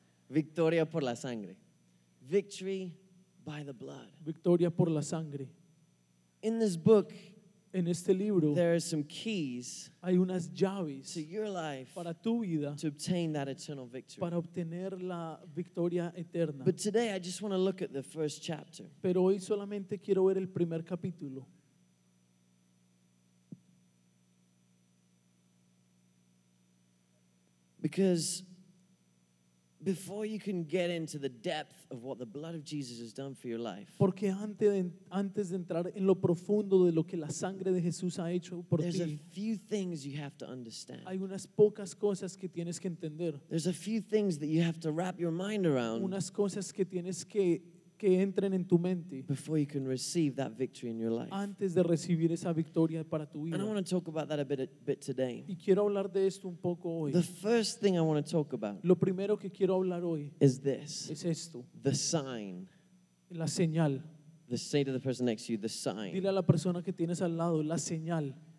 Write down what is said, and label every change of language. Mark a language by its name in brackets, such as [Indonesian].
[Spanish] Victoria por la sangre. [English] Victory by the blood. [Spanish] Victoria por la sangre. [English] In this book. [Spanish] En este libro, [English] there are some keys [Spanish] hay unas llaves [English] to your life [Spanish] para tu vida [English] to obtain that eternal victory. [Spanish] Para obtener la victoria eterna. [English] But today I just want to look at the first chapter. [Spanish] Pero hoy solamente quiero ver el primer capítulo. [English] Because before you can get into the depth of what the blood of Jesus has done for your life, [Spanish] porque antes de entrar en lo profundo de lo que la sangre de Jesús ha hecho por ti, [English] there's a few things you have to understand. [Spanish] Hay unas pocas cosas que tienes que entender. [English] There's a few things that you have to wrap your mind around. [Spanish] Unas cosas que tienes que entren en tu mente. [English] Before you can receive that victory in your life, [Spanish] antes de recibir esa victoria para tu vida. [English] And I want to talk about that a bit today. [Spanish] Y quiero hablar de esto un poco hoy. [English] The first thing I want to talk about. [Spanish] Lo primero que quiero hablar hoy [English] is this. [Spanish] Es esto. [English] The sign. [Spanish] La señal. [English] The say to the person next to you, the sign. [Spanish] Dile a la persona que tienes al lado la señal.